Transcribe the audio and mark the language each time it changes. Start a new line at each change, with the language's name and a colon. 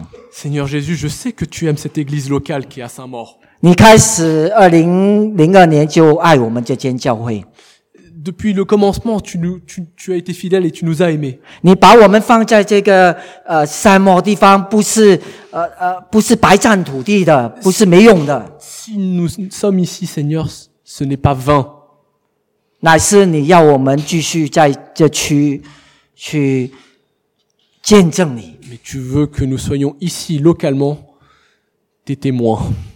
French: Seigneur Jésus, je sais que tu aimes cette église locale qui est à Saint-Maur. Depuis le commencement, tu as été fidèle et tu nous as aimés.
Chinese: 你把我们放在这个沙漠地方，不是白占土地的，不是没用的。
French: Si nous sommes ici, Seigneur, ce n'est pas vain.
Chinese: 乃是你要我们继续在这区去见证你。
French: Mais tu veux que nous soyons ici localement des témoins.